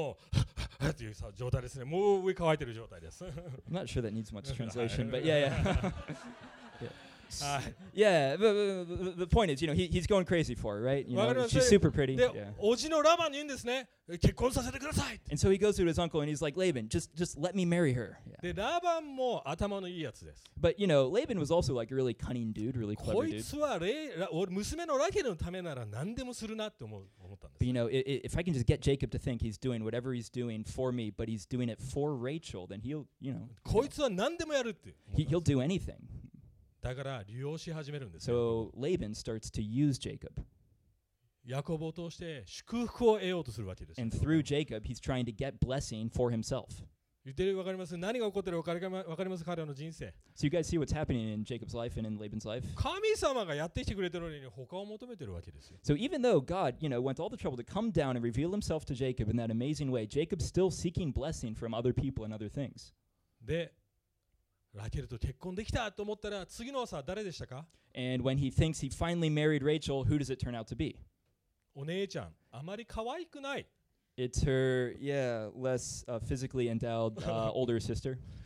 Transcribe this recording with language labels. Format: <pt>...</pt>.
<ja>そうですよね。もうとんでもない。うわーってもう上、なんていうのかな。もう、っていう状態ですね。もう上乾いてる状態です。</ja> <en>I'm not sure that needs much translation, but yeah, yeah. yeah, the point is, you know, he's going crazy for her, right? You know, she's super pretty.</en> <ja>で、おじのラバンに言うんですね。結婚させてください。</ja> <en>And so he goes to his uncle and he's like, Laban, just let me marry her. Yeah.</en> <ja>で、ラバンも頭のいいやつです。</ja> <en>But, you know, Laban was also like a really cunning dude, really clever dude.</en> <ja>こいつは娘のラケルのためなら何でもするなって思ったんです。</ja> <en>But, you know, if I can just get Jacob to think he's doing whatever he's doing for me, but he's doing it for Rachel, then he'll, you know.</en> <ja>こいつは何でもやるって。</ja> <en>He'll do anything.</en> <ja>だから利用し始めるんですよ。</ja> <en>So Laban starts to use Jacob.</en> <ja>ヤコブを通して祝福を得ようとするわけです。</ja> <en>And through Jacob, he's trying to get blessing for himself.</en> <ja>言ってる、分かります。何が起こってるか分かります。彼の人生。</ja> <en>So you guys see what's happening in Jacob's life and in Laban's life?</en> <ja>神様がやってきてくれてるのに他を求めてるわけですよ。</ja> <en>So even though God, you know, went all the trouble to come down and reveal himself to Jacob in that amazing way, Jacob's still seeking blessing from other people and other things.</en> <ja>で、 ラケルと結婚できたと思ったら次の朝は誰でしたか?</ja> <en>And when he thinks he finally married Rachel, who does it turn out to be?</en> <ja>お姉ちゃん、あまり可愛くない。</ja> <en>It's her, yeah, less physically endowed older sister.</en>